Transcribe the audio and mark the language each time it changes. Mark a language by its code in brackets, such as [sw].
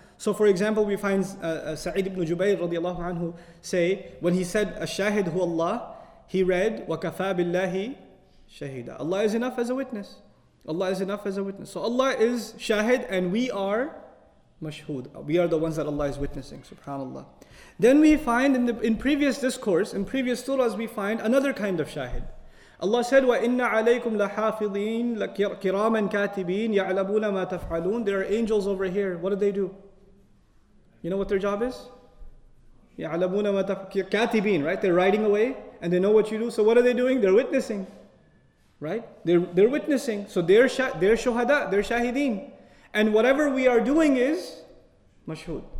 [en] So for example, we find Sa'id ibn Jubayr radiallahu anhu say, when he said, [ar] "Ash-shahid hu Allah," [en] he read, [ar] "Wakafa billahi shahida." [en] Allah is enough as a witness. Allah is enough as a witness. So Allah is shahid, and we are mashhud. We are the ones that Allah is witnessing, subhanallah. Then we find in previous surahs, we find another kind of shahid. [ar] Allah said, وَإِنَّ عَلَيْكُمْ لَحَافِظِينَ كِرَامًا كَاتِبِينَ يَعْلَمُونَ مَا تَفْعَلُونَ [en] There are angels over here. What do they do? You know what their job is? [ar] يَعْلَمُونَ مَا تَفْعَلُونَ كَاتِبِينَ, [en] right? They're writing away. and they know what you do. So what are they doing? They're witnessing. Right? They're witnessing. So they're shuhada, they're shahideen. And whatever we are doing is mashhud.